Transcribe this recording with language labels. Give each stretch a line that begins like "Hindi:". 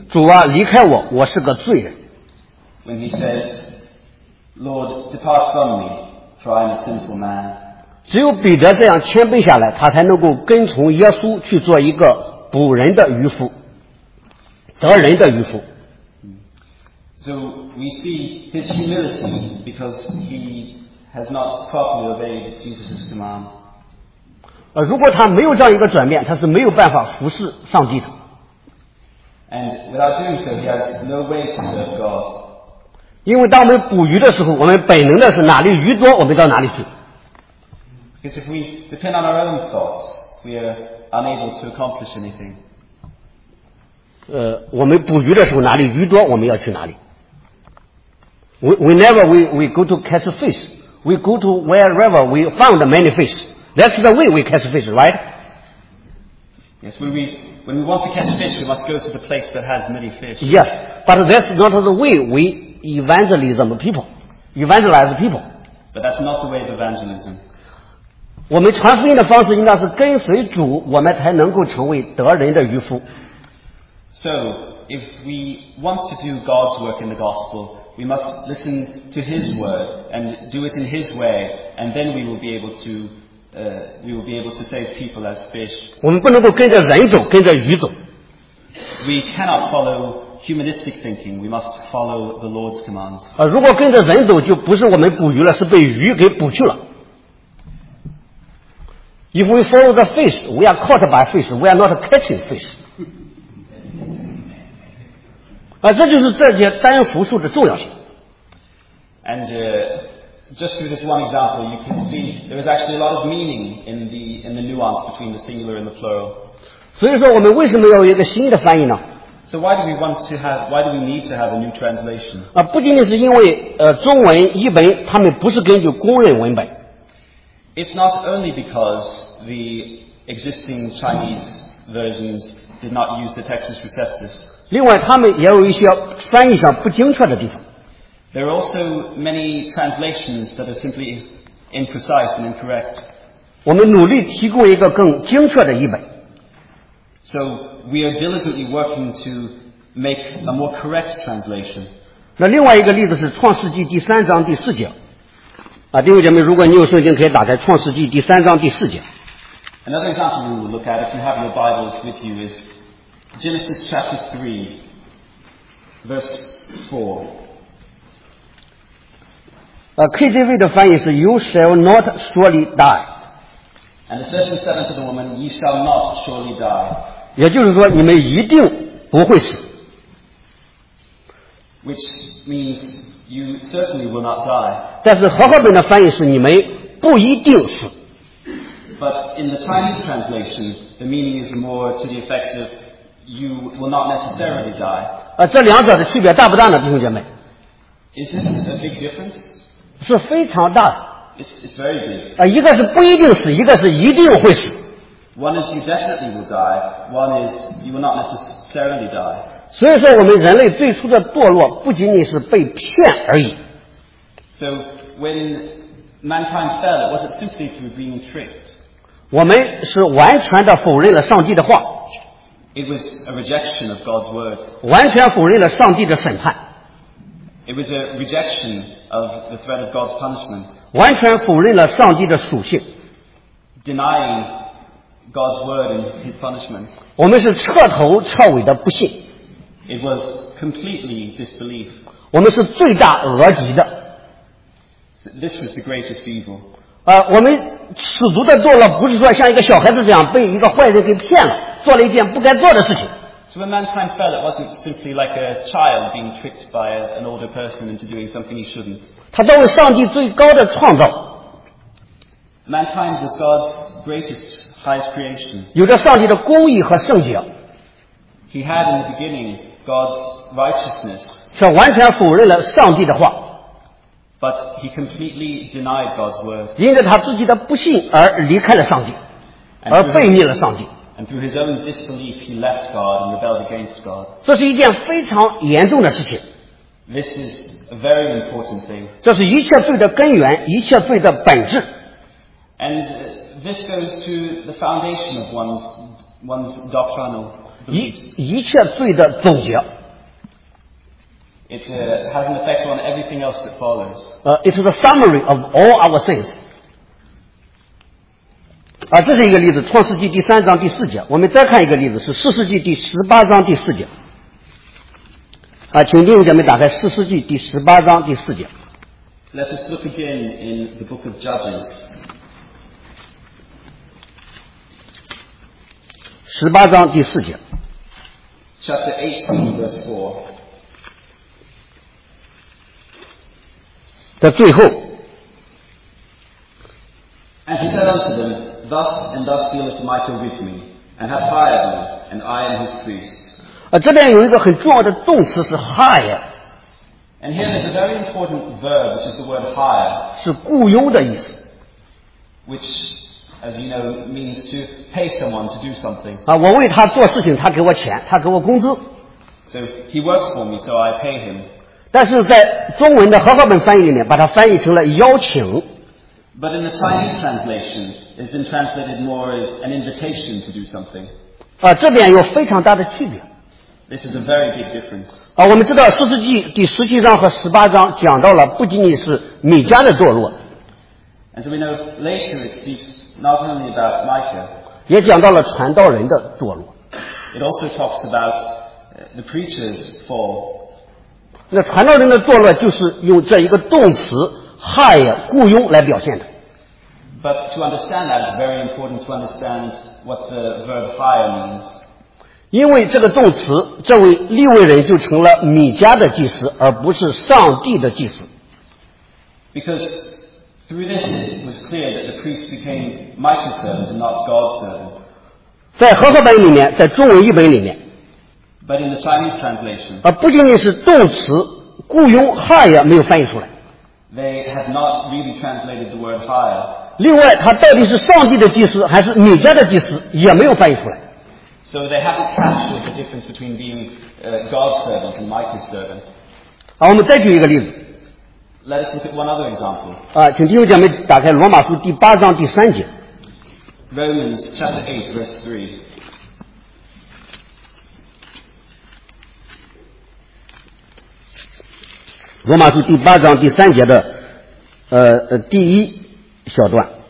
Chinese: 主啊，离开我，我是个罪人。
English: When he says, Lord, depart from me, for I am a sinful man.
Chinese: 只有彼得这样谦卑下来，他才能够跟从耶稣去做一个捕人的渔夫，得人的渔夫。
English: So we see his humility because he has not properly obeyed Jesus' command.
Chinese: 如果他没有这样一个转变，他是没有办法服侍上帝的。
English: And without doing so, he has no way to serve God.
Chinese: 因为当我们捕鱼的时候，我们本能的是哪里鱼多，我们到哪里去。
English: Because if we depend on our own thoughts, we are unable to accomplish anything.
Chinese: 我们捕鱼的时候哪里鱼多我们要去哪里。
English: Whenever we go to catch fish, we go to wherever we found many fish. That's the way we catch fish, right? Yes, when we want to catch fish, we must go to the place that has many fish. Yes, but that's not the way we evangelize people. But that's not the way of evangelism.
Chinese: 我们传福音的方式应当是跟随主，我们才能够成为得人的渔夫。
English: So, if we want to do God's work in the gospel, we must listen to His word and do it in His way, and then we will be able to save people as fish.
Chinese: 我们不能够跟着人走，跟着鱼走。
English: We cannot follow humanistic thinking. We must follow the Lord's commands.
Chinese: 如果跟着人走，就不是我们捕鱼了，是被鱼给捕去了。
English: If we follow the fish, we are caught by fish. We are not catching fish.
Chinese: 这就是这些单复数的重要性。
English: And just through this one example, you can see there is actually a lot of meaning in the nuance between the singular and the plural.
Chinese: 所以说，我们为什么要有一个新的翻译呢？
English: So why do we need to have a new translation?
Chinese: 不仅仅是因为中文译本他们不是根据公认文本。
English: It's not only because the existing Chinese versions did not use the Textus Receptus.
Chinese: 另外，他们也有一些翻译上不精确的地方。
English: There are also many translations that are simply imprecise and incorrect.
Chinese: 我们努力提供一个更精确的译本。
English: So we are diligently working to make a more correct translation.
Chinese: 那另外一个例子是《创世纪》第三章第四节。弟兄姐妹，如果你有圣经，可以打开《创世纪》第三章第四节。
English: Another example we will look at, if you have your Bibles with you, is Genesis chapter 3, verse 4. KJV
Chinese: 的翻译是
English: "You shall not surely die." And the serpent said unto the woman, "Ye shall not surely die."
Chinese: 也就是说，你们一定不会死。
English: Which means you certainly will not die.
Chinese: 但是和合本的翻译是你们不一定死。
English: But in the Chinese translation, the meaning is more to the effect of you will not necessarily die.
Chinese: 这两者的区别大不大呢，弟兄姐妹？
English: Is this a big difference?
Chinese: 是非常大的。
English: It's very big.
Chinese: 一个是不一定死，一个是一定会死。
English: One is you definitely will die. One is you will not necessarily die.
Chinese: 所以说我们人类最初的堕落不仅仅是被骗而已。
English: So when mankind fell, was it simply through being tricked?
Chinese: 我们是完全的否认了上帝的话。
English: It was a rejection of God's word.
Chinese: 完全否认了上帝的审判。
English: It was a rejection of the threat of God's punishment.
Chinese: 完全否认了上帝的属性。
English: Denying God's word and His punishment.
Chinese: 我们是彻头彻尾的不信。
English: It was completely disbelief.
Chinese: 我们是罪大恶极的。
English: This was the greatest evil.
Chinese: 我们始足的堕落，不是说像一个小孩子这样被一个坏人给骗了。做了一件不该做的事情。
English: So when mankind fell, it wasn't simply like a child being tricked by an older person into doing something he shouldn't.
Chinese: 他作为上帝最高的创造。
English: Mankind was God's greatest, highest creation.
Chinese: 有着上帝的公义和圣洁。
English: He had in the beginning God's righteousness.
Chinese: 却完全否认了上帝的话。
English: But he completely denied God's word.
Chinese: 因着他自己的不信而离开了上帝，而背逆了上帝。
English: And through his own disbelief, he left God and rebelled against God.
Chinese: 这是一件非常严重的事情。
English: This is a very important thing.
Chinese: 这是一切罪的根源，一切罪的本质。
English: And this goes to the foundation of one's doctrinal beliefs.
Chinese: 一切罪的总结。
English: It has an effect on everything else that follows. It's the summary of all our sins.
Chinese: 这是一个例子，创世纪第三章第四节。我们再看一个例子，是四世纪第十八章第四节。请弟兄姐妹打开四世纪第十八章第四节。
English: Let us look again in the book of Judges.
Chinese: 十八章第四节。
English: Chapter 18, verse 4.
Chinese: 在最后。
English: And he said unto them,Thus and thus dealeth Michael with me, and hath hired me, and I am his priest.
Chinese: 这边有一个很重要的动词是 hire.
English: And here there's a very important verb, which is the word hire.
Chinese: 是雇佣的意思。
English: Which, as you know, means to pay someone to do something.
Chinese: 我为他做事情，他给我钱，他给我工资。
English: So he works for me, so I pay him.
Chinese: 但是在中文的和合本翻译里面，把它翻译成了邀请。
English: But in the Chinese translation, it's been translated more as an invitation to do something.
Chinese: 这边有非常大的区别。
English: This is a very big difference.
Chinese: 我们知道四世纪第十七章和十八章讲到了不仅仅是米迦的堕落。
English: And so we know later it speaks not only about Micah.
Chinese: 也讲到了传道人的堕落。
English: It also talks about the preacher's fall.
Chinese: 那传道人的堕落就是用这一个动词hire 雇佣来表现的。
English: But to understand that, it's very important to understand what the verb hire means.
Chinese: 因为这个动词，这位利未人就成了米迦的祭司，而不是上帝的祭司。
English: Because through this, it was clear that the priest became Micah's servant and not God's servant.
Chinese: 在和合本里面，在中文译本里面。
English: But in the Chinese translation.
Chinese: 不仅仅是动词雇佣 hire 没有翻译出来。
English: They have not really translated the word hire.
Chinese: 另外，他到底是上帝的祭司还是米迦的祭司，也没有翻译出来。
English: So they haven't captured the difference between being God's servant and Micah's servant.
Chinese: 好，我们再举一个例子。
English: Let us look at one other example.
Chinese: 请弟兄姐妹打开罗马书第八章第三节。
English: Romans chapter 8 verse 3.
Chinese: 罗马书第八章第三节的第一小段。